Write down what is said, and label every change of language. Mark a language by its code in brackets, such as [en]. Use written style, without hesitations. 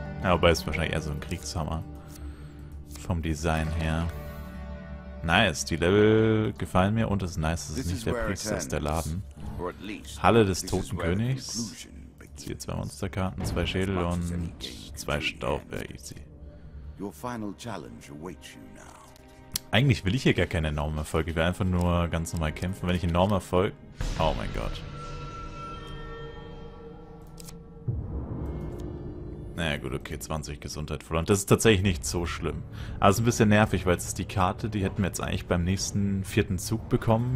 [de] Ja, wobei ist wahrscheinlich eher so ein Kriegshammer. Vom Design her. Nice, die Level gefallen mir und es ist nice, dass es nicht der Priester ist, der Laden. Halle des Toten Königs. Ziehe zwei Monsterkarten, zwei Schädel und zwei Staub. Easy. [en] Your final challenge awaits you now. [de] Eigentlich will ich hier gar keinen enormen Erfolg. Ich will einfach nur ganz normal kämpfen. Wenn ich einen enormen Erfolg... Oh mein Gott. Naja gut, okay, 20 Gesundheit verloren. Das ist tatsächlich nicht so schlimm. Aber es ist ein bisschen nervig, weil es ist die Karte, die hätten wir jetzt eigentlich beim nächsten vierten Zug bekommen.